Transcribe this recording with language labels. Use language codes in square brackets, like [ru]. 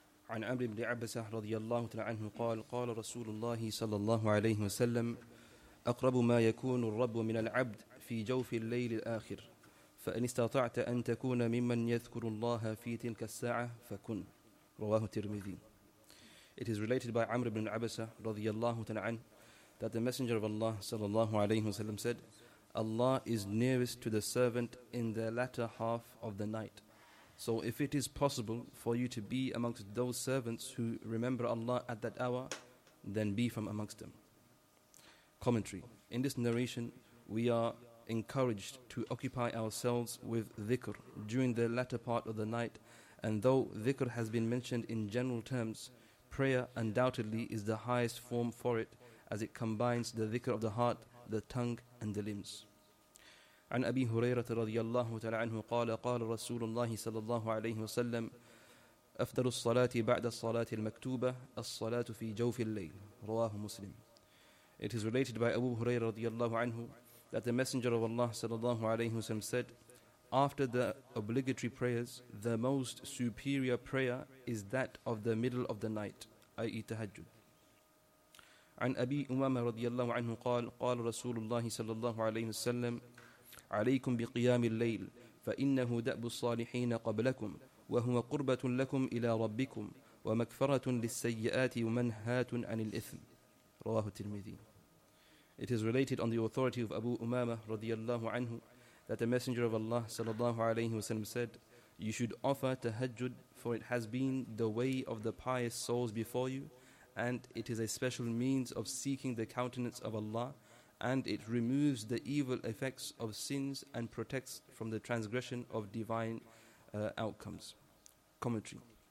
[ar] عن عمرو بن عبسة رضي الله تعالى عنه قال: قال رسول الله صلى الله عليه وسلم: أقرب ما يكون الرب من العبد في جوف الليل الآخر، فإن استطعت أن تكون ممن يذكر الله في تلك الساعة فكن. رواه الترمذي. [en] It is related by [ar] عمرو بن عبسة رضي الله تعالى عنه [en] that the messenger of Allah [ar] صلى الله عليه وسلم [en] said: Allah is nearest to the servant in the latter half of the night. So if it is possible for you to be amongst those servants who remember Allah at that hour, then be from amongst them. Commentary. In this narration, we are encouraged to occupy ourselves with dhikr during the latter part of the night. And though dhikr has been mentioned in general terms, prayer undoubtedly is the highest form for it, as it combines the dhikr of the heart, the tongue and the limbs. [ar] عن أبي هريرة رضي الله تعالى عنه قال: قال رسول الله صلى الله عليه وسلم: أفضل الصلاة بعد الصلاة المكتوبة الصلاة في جوف الليل. رواه مسلم. [en] It is related by Abu Huraira [ar] رضي الله عنه [en] that the Messenger of Allah [ar] صلى الله عليه وسلم [en] said: After the obligatory prayers, the most superior prayer is that of the middle of the night, i.e. tahajjud. [ar] عن أبي أمامة رضي الله عنه قال: قال رسول الله صلى الله عليه وسلم: عليكم بقيام الليل، فإنه دأب الصالحين قبلكم، وهو قربة لكم إلى ربكم، ومكفرة للسيئات ومنهاة عن الإثم. رواه الترمذي. [en] It is related on the authority of Abu Umama [ar] رضي الله عنه [en] that the Messenger of Allah [ar] صلى الله عليه وسلم [en] said, You should offer tahajjud, for it has been the way of the pious souls before you, and it is a special means of seeking the countenance of Allah, and it removes the evil effects of sins and protects from the transgression of divine outcomes. Commentary.